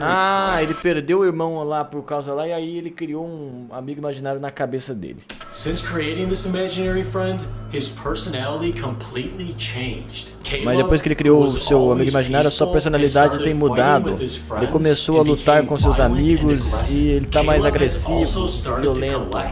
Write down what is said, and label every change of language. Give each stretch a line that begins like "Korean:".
Portuguese: Ah, ele perdeu o irmão lá por causa lá e aí ele criou um amigo imaginário na cabeça dele.
English: Since creating this imaginary friend, his personality completely changed.
Portuguese: Mas depois que ele criou o seu amigo imaginário, a sua personalidade tem mudado. Ele começou a lutar com seus amigos e ele tá mais agressivo, violento.